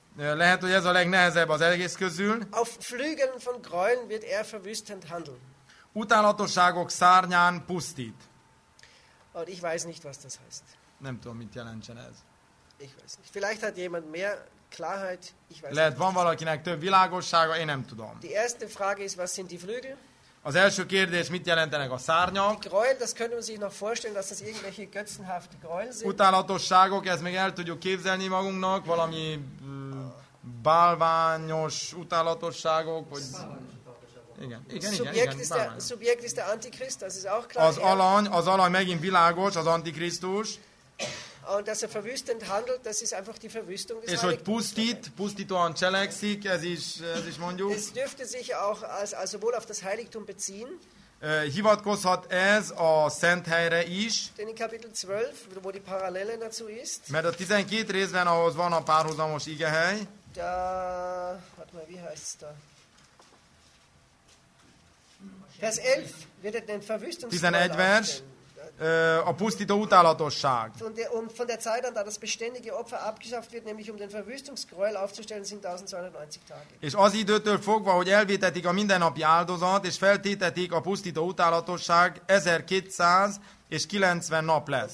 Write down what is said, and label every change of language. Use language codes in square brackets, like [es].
[hu] Lehet, hogy ez a legnehezebb az egész közül. [de] Auf Flügeln von Gräueln wird er verwüstend handeln. [hu] Utálatosságok szárnyán pusztít. [de] Und ich weiß nicht, was das heißt. [hu] Nem tudom, mit jelentsen ez. [de] Ich weiß nicht. Vielleicht hat jemand mehr Klarheit. Ich weiß [hu] lehet, [de] nicht, [hu] van valakinek több világossága, én nem tudom. [de] Die erste Frage ist, was sind die Flügel? [hu] Az első kérdés, mit jelentenek a szárnyak? [de] Gräuel, das können wir sich noch vorstellen, dass das irgendwelche götzenhafte Gräuel sind. [hu] Utálatosságok, ezt még el tudjuk képzelni magunknak, valami bálványos utálatosságok, vagy... Igen. [de] Subjekt, [hu] igen, [de] ist der, subjekt ist der Antichrist, das ist auch klar. [hu] Az alany megint világos, az Antikrisztus. [de] Und dass er verwüstend handelt, das ist einfach die Verwüstung des Heiligen. [hu] És hogy pusztít, pusztítóan cselekszik, ez is mondjuk. [de] Es dürfte sich auch als sowohl auf das Heiligtum beziehen. [hu] Hivatkozhat ez a szent helyre is. [de] Denn in Kapitel 12, wo die Parallele dazu ist. [hu] Mert a 12 részben, ahhoz van a párhuzamos igehely. [de] Da, warte mal, wie heißt da? Vers 11, wird den Verwüstungs- [hu] 11 vers. A pusztító utálatosság. [de] Von der Zeit an, da das beständige Opfer abgeschafft wird, nämlich um den Verwüstungsgräuel aufzustellen, sind 1290 Tage. [hu] És az időtől fogva, hogy elvétetik a mindennapi áldozat, és feltétetik a pusztító utálatosság, 1290 nap lesz.